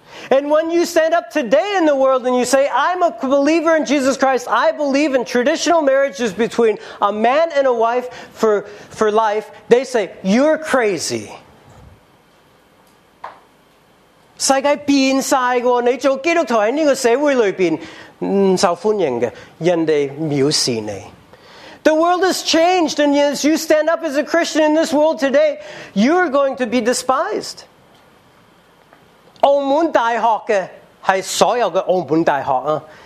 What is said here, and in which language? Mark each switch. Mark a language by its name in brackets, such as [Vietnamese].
[English] And when you stand up today in the world and you say, I'm a believer in Jesus Christ, I believe in traditional marriages between a man and a wife for life, they say, you're crazy. [Chinese] 世界变晒过，你做基督徒在这个社会里面不受欢迎的，人家藐视你。 [English] The world has changed, and as you stand up as a Christian in this world today, you're going to be despised. [Chinese] 澳门大学的是所有的澳门大学啊，